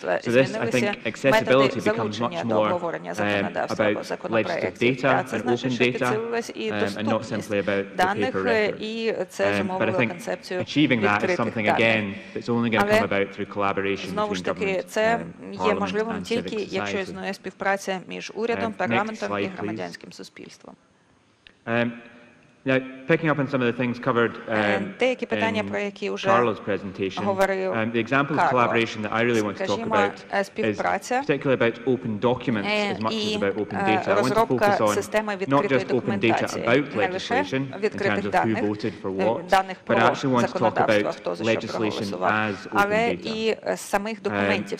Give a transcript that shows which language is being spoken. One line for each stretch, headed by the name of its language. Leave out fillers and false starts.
English: So this, I think, accessibility becomes much more about legislative data and open data, and not simply about the paper record. But I think achieving that is something, again, that's only going to come about through collaboration between government, parliament, and
Ukrainian: тільки якщо існує співпраця між урядом, парламентом і громадянським суспільством.
English: Now, picking up on some of the things covered in Carlo's presentation, the example of collaboration that I really want to talk about is particularly about open documents as much as about open data. I want to focus on not just open data about legislation in terms of who voted for what, but I actually want to talk about legislation as open data.